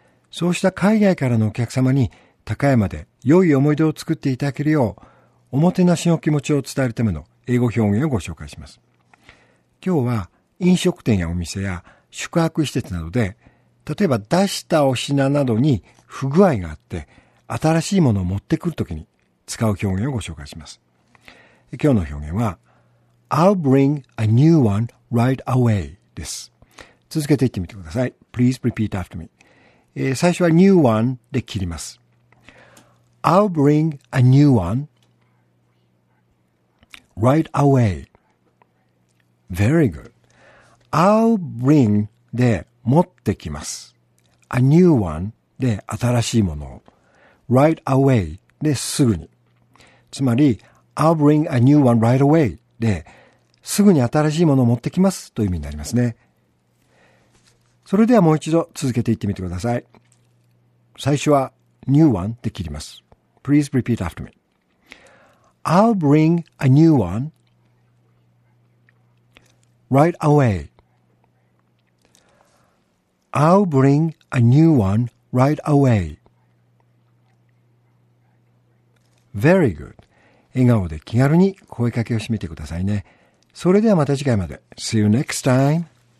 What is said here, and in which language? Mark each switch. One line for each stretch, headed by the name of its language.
Japanese: そうした海外からのお客様に高山で良い思い出を作っていただけるよう、おもてなしの気持ちを伝えるための英語表現をご紹介します。今日は飲食店やお店や宿泊施設などで、例えば出したお品などに不具合があって、新しいものを持ってくるときに使う表現をご紹介します。今日の表現は、
English: I'll bring a new one right away
Japanese: です。続けて言ってみてください。
English: Please repeat after me.
Japanese: 最初は
English: new one
Japanese: で切ります。
English: I'll bring a new one right away. Very good. I'll bring
Japanese: で持ってきます。
English: A new one
Japanese: で新しいものを。
English: Right away
Japanese: ですぐに。つまり、
English: I'll bring a new one right away
Japanese: ですぐに新しいものを持ってきますという意味になりますね。それではもう一度続けていってみてください。最初は
English: new one
Japanese: で切ります。
English: Please repeat after me. I'll bring a new one right away. I'll bring a new one right away. Very good.
Japanese: 笑顔で気軽に声かけをしてみてくださいね。それではまた次回まで。
English: See you next time.